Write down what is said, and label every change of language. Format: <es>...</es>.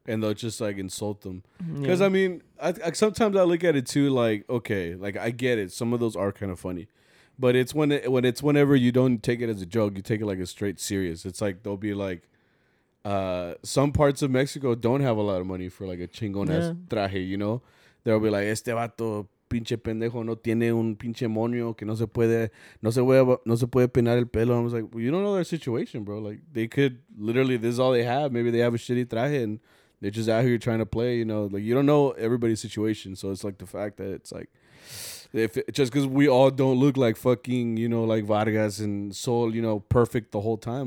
<en>And they'll just like insult them, because I mean, I sometimes I look at it too, like, okay, like I get it. Some of those are kind of funny. But it's whenever you don't take it as a joke, you take it like a straight serious. It's like they'll be like, some parts of Mexico don't have a lot of money for like a</en> <es>chingón</es> <en>ass traje, you know?</en> <es>They'll be like, este vato pinche pendejo no tiene un pinche moño que no se puede peinar el pelo.</es> <en>And I was like, well, you don't know their situation, bro. Like they could literally, this is all they have. Maybe they have a shitty traje and they're just out here trying to play, you know? Like you don't know everybody's situation. So it's like the fact that it's like, if it, just because we all don't look like fucking, you know, like Vargas and Sol, you know, perfect the whole time.</en>